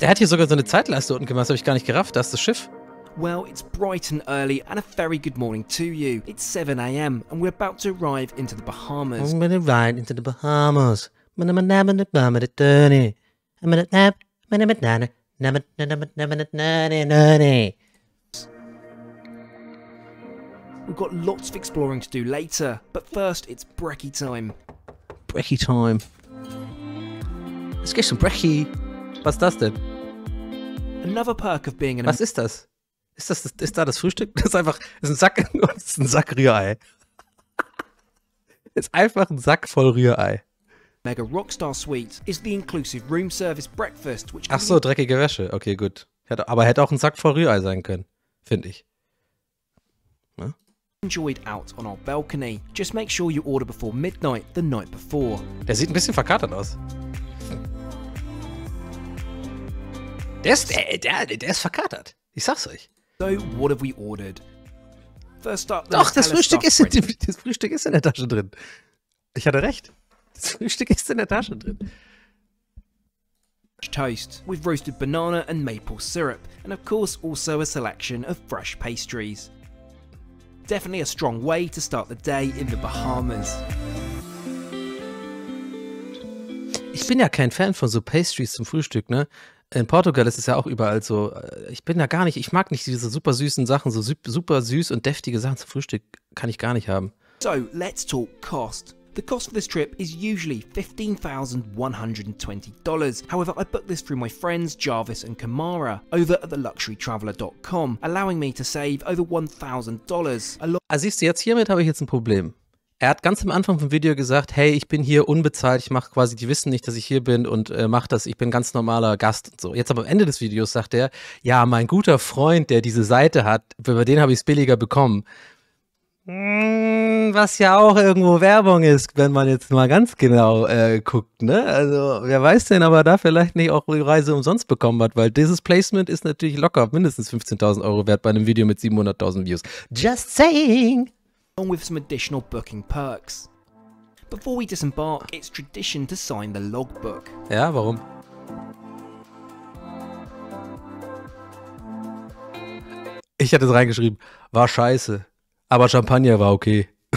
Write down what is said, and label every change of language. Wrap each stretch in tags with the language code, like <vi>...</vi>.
<de>der hat hier sogar so eine Zeitleiste unten gemacht, das habe ich gar nicht gerafft, da ist das Schiff.</de> <en>Well, it's bright and early, and a very good morning to you. It's 7 a.m. and we're about to arrive into the Bahamas. I'm gonna ride into the Bahamas. I'm gonna nab in the bum at a turny. I'm gonna nab, I'm gonna nab. We've got lots of exploring to do later, but first it's brekkie time. Brekkie time. Let's get some brekkie.</en> <de>Was ist das denn?</de> <en>Another perk of being an...</en> <de>Was ist das? Ist das, ist da das Frühstück? Das ist einfach, das ist ein Sack, das ist ein Sack Rührei. Das ist einfach ein Sack voll Rührei.</de> <en>Mega Rockstar Suite is the inclusive room service breakfast, which...</en> <de>Ach so, dreckige Wäsche. Okay, gut. Aber hätte auch ein Sack voll Rührei sein können, finde ich.</de> <en>Na? Enjoyed out on our balcony. Just make sure you order before midnight the night before.</en> <de>Der sieht ein bisschen verkatert aus. Der ist verkatert. Ich sag's euch.</de> <en>So, what have we ordered? First up,</en> <de>doch, das Frühstück ist in der Tasche drin. Ich hatte recht. Das Frühstück ist in der Tasche drin.</de> <en>Toast with roasted banana and maple syrup. And of course also a selection of fresh pastries. Definitely a strong way to start the day in the Bahamas.</en> <de>Ich bin ja kein Fan von so Pastries zum Frühstück, ne? In Portugal ist es ja auch überall so. Ich bin da gar nicht, ich mag nicht diese super süßen Sachen, so super süß und deftige Sachen zum Frühstück kann ich gar nicht haben.</de> <en>So, let's talk cost. The cost for this trip is usually $15,120. However, I booked this through my friends Jarvis and Kamara over at theluxurytraveler.com, allowing me to save over $1,000.</en> <de>Siehst du, jetzt hiermit habe ich jetzt ein Problem. Er hat ganz am Anfang vom Video gesagt, hey, ich bin hier unbezahlt, ich mache quasi, die wissen nicht, dass ich hier bin und mach das, ich bin ganz normaler Gast und so. Jetzt aber am Ende des Videos sagt er, ja, mein guter Freund, der diese Seite hat, über den habe ich es billiger bekommen. Was ja auch irgendwo Werbung ist, wenn man jetzt mal ganz genau guckt, ne? Also, wer weiß denn, ob er da vielleicht nicht auch die Reise umsonst bekommen hat, weil dieses Placement ist natürlich locker mindestens 15.000 Euro wert bei einem Video mit 700.000 Views.</de> <en>Just saying! Along with some additional booking perks. Before we disembark, it's tradition to sign the logbook.</en> <de>Ja, warum? Ich hatte es reingeschrieben, war scheiße. Aber Champagner war okay.</de>